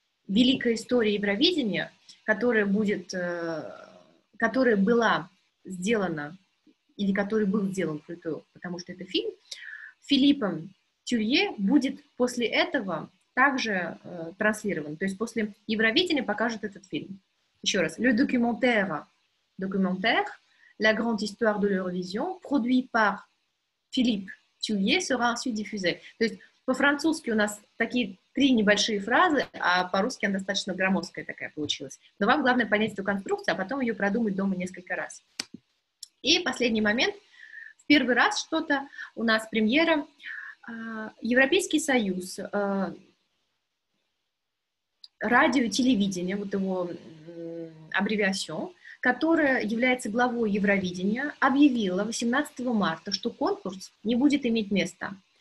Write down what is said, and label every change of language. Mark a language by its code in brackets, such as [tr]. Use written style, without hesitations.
[ru] великая история Евровидения, которая будет, которая была сделана, или который был сделан, потому что это фильм, Филиппом Тюрье будет после этого также транслирован. То есть после Евровидения покажут этот фильм. Еще раз. [fr] Le documentaire, documentaire, la grande histoire de l'Eurovision, produit par Philippe Тюрье, sera ensuite diffusé. [ru] То есть по-французски у нас такие три небольшие фразы, а по-русски она достаточно громоздкая такая получилась. Но вам главное понять эту конструкцию, а потом ее продумать дома несколько раз. И последний момент. В первый раз что-то у нас премьера. Европейский союз, радио и телевидение, вот его аббревиация, которая является главой Евровидения, объявила 18 марта, что конкурс не будет иметь места.